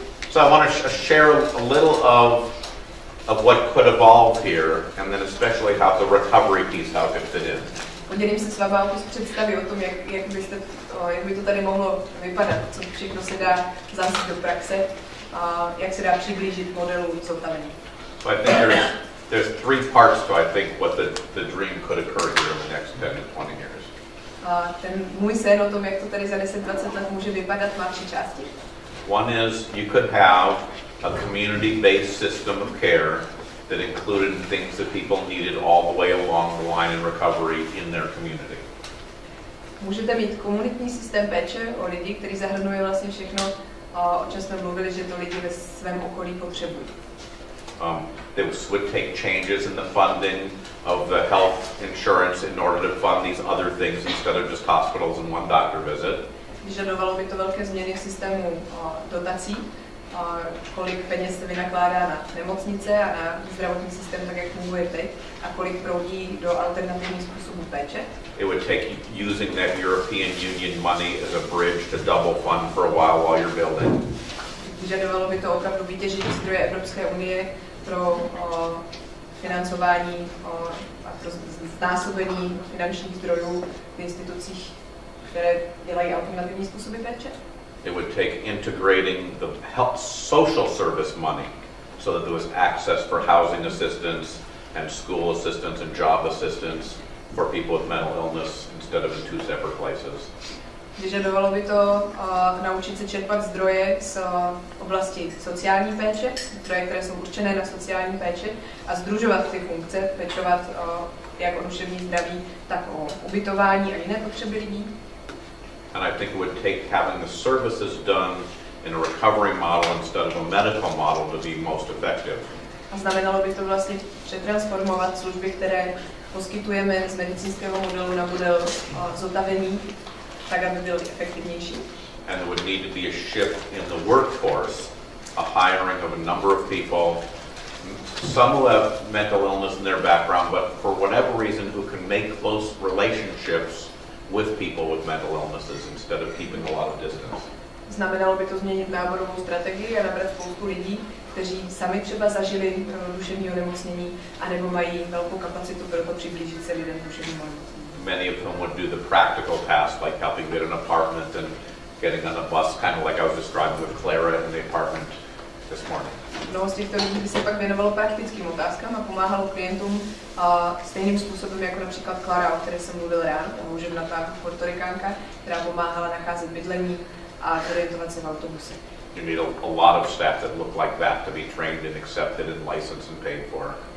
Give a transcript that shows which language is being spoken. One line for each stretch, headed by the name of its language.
English: So I want to share a little of what could evolve here, and then especially how the recovery piece, how it fit in.
Czech: Podělím se s vámi o představě o tom, jak by to tady mohlo vypadat, co všechno se dá zase do praxe, a jak se dá přiblížit modelu, co tam není.
English: So I think there's three parts to, I think, what the dream could occur here in the next 10 to 20 years.
Czech: Ten můj sen o tom, jak to tady za 10-20 let může vypadat, má tři části.
English: One is you could have a community-based system of care that included things that people needed all the way along the line in recovery in their community.
Czech: Můžete mít komunitní systém péče o lidi, který zahrnuje vlastně všechno, o čem jsme mluvili, že to lidi ve svém okolí potřebují.
English: They would take changes in the funding of the health insurance in order to fund these other things instead of just hospitals and one doctor visit.
Czech: Vyžadovalo by to velké změny v systému dotací, kolik peněz se vynakládá na nemocnice a na zdravotní systém, tak jak funguje teď, a kolik proudí do alternativních způsobů péče.
English: It would take using that European Union money as a bridge to double fund for a while you're building.
Czech: Vyžadovalo by to opravdu vytěžit zdroje Evropské unie pro financování a pro znásobení finančních zdrojů v institucích, které dělají alternativní způsoby péče.
English: It would take integrating the health social service money so that there was access for housing assistance and school assistance and job assistance for people with mental illness instead of in two separate places.
Czech: Vyžadovalo by to naučit se čerpat zdroje z oblasti sociální péče, zdroje, které jsou určené na sociální péče, a združovat ty funkce, pečovat jak o duševní zdraví, tak o ubytování a jiné potřeby lidí.
English: And I think it would take having the services done in a recovery model instead of a medical model to be most effective.
Czech: A znamenalo by to vlastně přetransformovat služby, které poskytujeme z medicínského modelu na model zotavení, tak aby byl efektivnější.
English: And there would need to be a shift in the workforce, a hiring of a number of people, some who have mental illness in their background, but for whatever reason, who can make close relationships with people with mental illnesses instead of keeping a lot of distance.
Czech: Znamenalo by to změnit náborovou strategii a nabrat spoustu lidí, kteří sami třeba zažili duševní onemocnění, anebo mají velkou kapacitu pro to přiblížit se lidem duševní onemocnění.
English: Many of whom would do the practical tasks like helping get an apartment and getting on a bus, kind of like I was describing with Clara in the apartment this morning.
Czech: Mnoho z těchto lidí by se pak věnovalo praktickým otázkám a pomáhalo klientům stejným způsobem, jako například Clara, o které jsem mluvil já, ta portorikánka, která pomáhala nacházet bydlení a orientovat se v autobuse.
English: You need a lot of staff that look like that to be trained and accepted and licensed and paid for.